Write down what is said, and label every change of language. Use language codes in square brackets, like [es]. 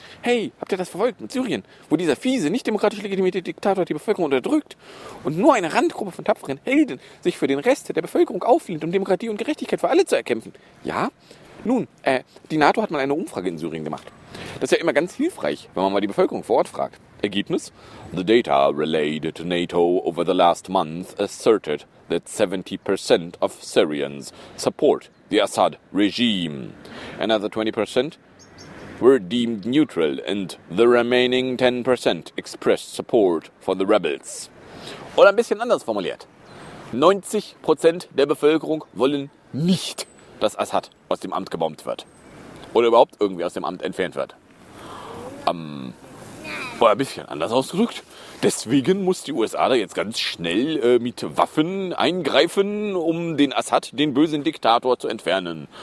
[de] Hey, habt ihr das verfolgt mit Syrien, wo dieser fiese, nicht demokratisch legitimierte Diktator die Bevölkerung unterdrückt und nur eine Randgruppe von tapferen Helden sich für den Rest der Bevölkerung auflehnt, um Demokratie und Gerechtigkeit für alle zu erkämpfen? Ja? Nun, die NATO hat mal eine Umfrage in Syrien gemacht. Das ist ja immer ganz hilfreich, wenn man mal die Bevölkerung vor Ort fragt. Ergebnis? [en] The data relayed to NATO over the last month asserted that 70% of Syrians support the Assad regime. Another 20% were deemed neutral and the remaining 10% expressed support for the rebels. [de] Oder ein bisschen anders formuliert. 90% der Bevölkerung wollen nicht, dass Assad aus dem Amt gebombt wird. Oder überhaupt irgendwie aus dem Amt entfernt wird. Oder ein bisschen anders ausgedrückt. Deswegen muss die USA da jetzt ganz schnell mit Waffen eingreifen, um den Assad, den bösen Diktator, zu entfernen.